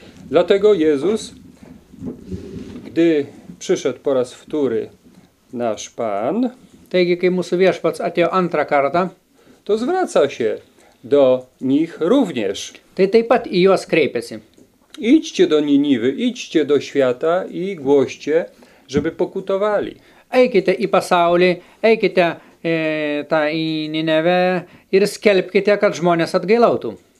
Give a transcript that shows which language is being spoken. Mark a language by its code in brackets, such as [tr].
[pl] Dlatego Jezus, gdy przyszedł po raz wtóry nasz Pan, [lt] taigi, kai mūsų viešpats atėjo antrą kartą, [pl] to zwraca się do nich również. [lt] Tai taip pat į juos kreipiasi. [pl] Idźcie do Niniwy, idźcie do świata i głoście, żeby pokutowali. [lt] Eikite į pasaulį, eikite ta į Ninevę ir skelbkite, kad žmonės atgailautų.